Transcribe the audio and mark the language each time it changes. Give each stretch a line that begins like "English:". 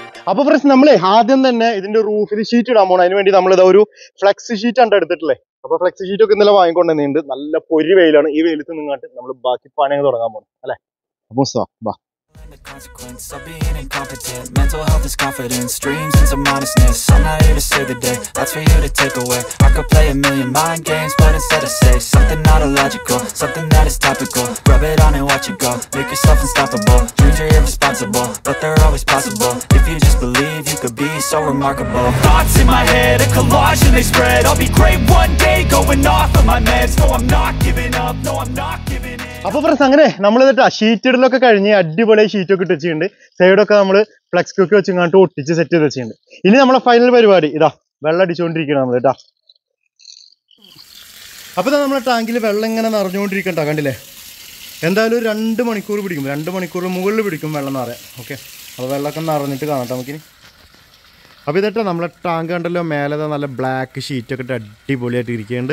Malayalam: അപ്പൊ ഫ്രണ്ട്സ്, നമ്മളെ ആദ്യം തന്നെ ഇതിന്റെ റൂഫിൽ ഷീറ്റ് ഇടാൻ പോണം. അതിന് വേണ്ടി നമ്മൾ ഇതാ ഒരു ഫ്ലക്സ് ഷീറ്റ് ആണ് എടുത്തിട്ടില്ലേ. അപ്പൊ ഫ്ലക്സ് ഷീറ്റ് ഒക്കെ ഇന്നലെ വാങ്ങിക്കൊണ്ടുവന്നുണ്ട്. നല്ല പൊരി വെയിലാണ്, ഈ വെയിലത്ത് നിങ്ങട്ട് നമ്മൾ ബാക്കി പണി അങ്ങ് തുടങ്ങാൻ പോകണം അല്ലെ.
English: അപ്പൊ The consequence of being incompetent Mental health is confidence Dreams and some honestness I'm not here to save the day That's for you to take away I could play a million mind games But instead I say Something not illogical Something that is topical Rub it on and watch it go Make yourself unstoppable Dreams are irresponsible But they're always possible If you just believe You could be so remarkable Thoughts in my head A collage and they spread I'll be great one day Going off of my meds No I'm not giving up No I'm not giving in
Malayalam: അപ്പൊ friends, അങ്ങനെ നമ്മൾ എന്നിട്ട് ആ sheet ഇടലൊക്കെ കഴിഞ്ഞ് അടിപൊളി sheet ഒക്കെ ഇട്ട് വെച്ചിട്ടുണ്ട്. സൈഡൊക്കെ നമ്മൾ ഫ്ലക്സ് ഒക്കെ വെച്ച് ഇങ്ങോട്ട് ഒട്ടിച്ച് സെറ്റ് ചെയ്ത് വെച്ചിട്ടുണ്ട്. ഇനി നമ്മളെ ഫൈനൽ പരിപാടി ഇതാ, വെള്ളം അടിച്ചുകൊണ്ടിരിക്കണം നമ്മൾ കേട്ടാ. അപ്പൊ നമ്മളെ ടാങ്കിൽ വെള്ളം ഇങ്ങനെ നിറഞ്ഞുകൊണ്ടിരിക്കണ്ട, കണ്ടില്ലേ. എന്തായാലും ഒരു 2 മണിക്കൂർ പിടിക്കും, 2 മണിക്കൂറിന് മുകളിൽ പിടിക്കും വെള്ളം നിറയാം. ഓക്കെ, അപ്പൊ വെള്ളമൊക്കെ നിറഞ്ഞിട്ട് കാണട്ടെ നമുക്കിനി. അപ്പൊ ഇതട്ടെ നമ്മളെ ടാങ്ക് കണ്ടല്ലോ, മേലത്തെ നല്ല ബ്ലാക്ക് ഷീറ്റ് ഒക്കെ അടിപൊളിയായിട്ട് ഇരിക്കുന്നുണ്ട്.